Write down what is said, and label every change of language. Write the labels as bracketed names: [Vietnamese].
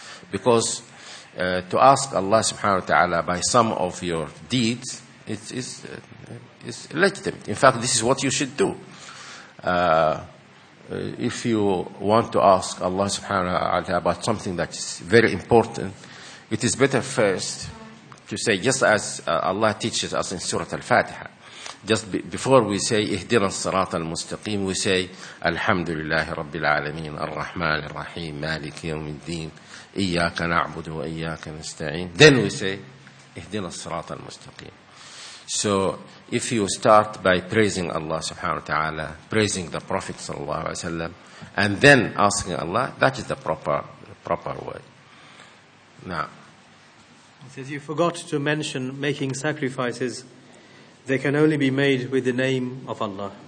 [English] Because to ask Allah subhanahu wa ta'ala by some of your deeds, it's legitimate. In fact, this is what you should do. If you want to ask Allah subhanahu wa ta'ala about something that is very important, it is better first to say, just as Allah teaches us in Surah Al-Fatiha, Just before we say [Arabic] اهدنا الصراط المستقيم, [English] we say [Arabic] الحمد لله رب العالمين الرحمن الرحيم مالك يوم الدين إياك نعبد وإياك نستعين. [English] Then we say [Arabic] اهدنا الصراط المستقيم. [English] So if you start by praising Allah subhanahu wa ta'ala, praising the Prophet sallallahu alayhi wa sallam, and then asking Allah, that is the proper way. Now, he says, you forgot to mention making sacrifices. They can only be made with the name of Allah.